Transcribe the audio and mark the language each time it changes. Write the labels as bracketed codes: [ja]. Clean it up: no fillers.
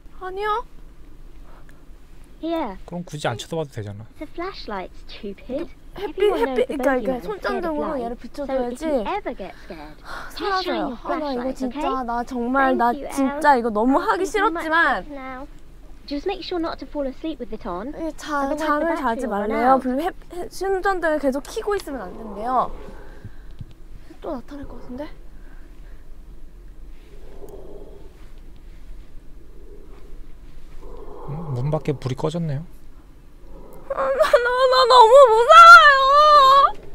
[ko] 아니요. [en] Yeah. [ko] 그럼 굳이 안 쳐다봐도 되잖아. [en] The flashlight, stupid. [ko] 햇빛, 햇빛. 그러니까 손전등으로 얘를 비춰줘야지. 사라져요. 아, 나 이거 진짜, 나 정말, 나 진짜 이거 너무 하기 싫었지만. [en] Just make sure not to fall asleep with it on. [ko] 잠을 자지 말래요. 손전등을 계속 켜고 있으면 안 된대요. 또 나타날 것 같은데? 문 밖에 불이 꺼졌네요. 나 너무 무서워요.